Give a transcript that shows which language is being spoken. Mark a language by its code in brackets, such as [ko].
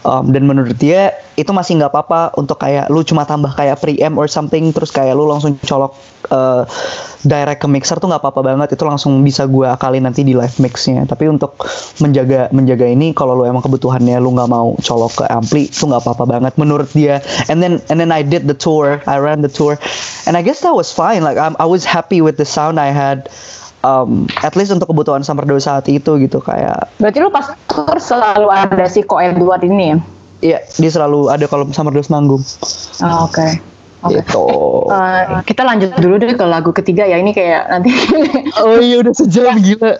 [id] Dan menurut dia itu masih nggak apa-apa untuk kayak lu cuma tambah kayak preamp [en] or something, [id] terus kayak lu langsung colok direct ke mixer tuh nggak apa-apa banget, itu langsung bisa gue akalin nanti di live mixnya. Tapi untuk menjaga ini, kalau lu emang kebutuhannya lu nggak mau colok ke ampli, itu nggak apa-apa banget menurut dia. [en] And then I did the tour, I ran the tour, and I guess that was fine. Like I was happy with the sound I had. At least [id] untuk kebutuhan Summer Dose saat itu gitu kayak. Berarti lu pas tour selalu ada si Ko Edward ini ya? Iya, dia selalu ada kalau Summer Dose manggung. Oke. Gitu. Kita lanjut dulu deh ke lagu ketiga ya. Ini kayak nanti. Oh iya, udah sejam gila.